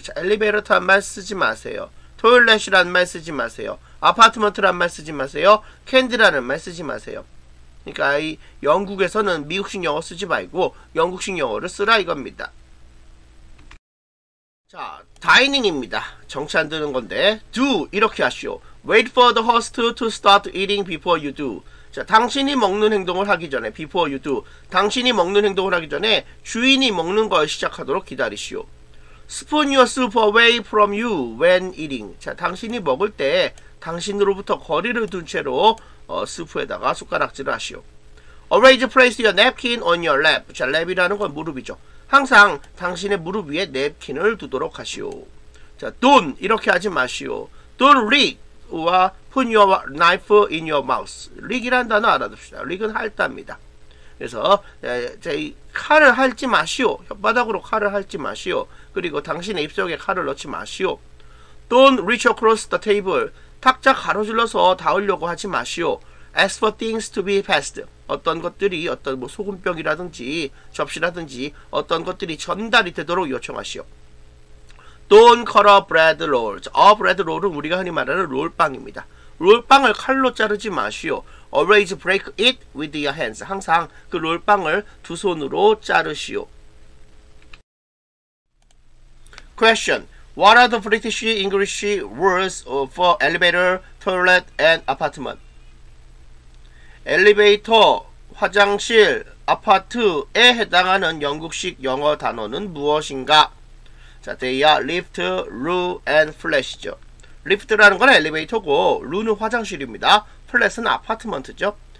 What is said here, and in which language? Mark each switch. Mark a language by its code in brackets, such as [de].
[ko] 자, 엘리베이터란 말 쓰지 마세요. 토일렛이란 말 쓰지 마세요. 아파트먼트란 말 쓰지 마세요. 캔디라는 말 쓰지 마세요. 그러니까 이 영국에서는 미국식 영어 쓰지 말고 영국식 영어를 쓰라 이겁니다. 자, 다이닝입니다. 정치 안 드는 건데 do 이렇게 하시오. [en] Wait for the host to start eating before you do. [ko] 자, 당신이 먹는 행동을 하기 전에 [en] before you do. [ko] 당신이 먹는 행동을 하기 전에 주인이 먹는 걸 시작하도록 기다리시오. [en] Spoon your soup away from you when eating. [ko] 자, 당신이 먹을 때 당신으로부터 거리를 둔 채로 수프에다가 숟가락질을 하시오. [en] Always place your napkin on your lap. [ko] 자, lap이라는 건 무릎이죠. 항상 당신의 무릎 위에 napkin을 두도록 하시오. 자, don't 이렇게 하지 마시오. [en] Don't lick 와 put your knife in your mouth. [ko] Lick이라는 단어 알아둡시다. Lick은 핥다입니다. 그래서 칼을 핥지 마시오. 혓바닥으로 칼을 핥지 마시오. 그리고 당신의 입속에 칼을 넣지 마시오. [en] Don't reach across the table. [ko] 탁자 가로질러서 닿으려고 하지 마시오. [en] Ask for things to be passed. [ko] 어떤 것들이 어떤 뭐 소금병이라든지 접시라든지 어떤 것들이 전달이 되도록 요청하시오. [en] Don't cut a bread roll. A bread roll은 [ko] 우리가 흔히 말하는 롤빵입니다. 롤빵을 칼로 자르지 마시오. [en] Always break it with your hands. [ko] 항상 그 롤빵을 두 손으로 자르시오. [en] Question. What are the British English words for elevator, toilet, and apartment? [ko] 엘리베이터, 화장실, 아파트에 해당하는 영국식 영어 단어는 무엇인가? 자, [en] they are lift, loo, and flash [ko] 죠. lift라는 건 엘리베이터고, loo는 화장실입니다. flash은 아파트먼트죠.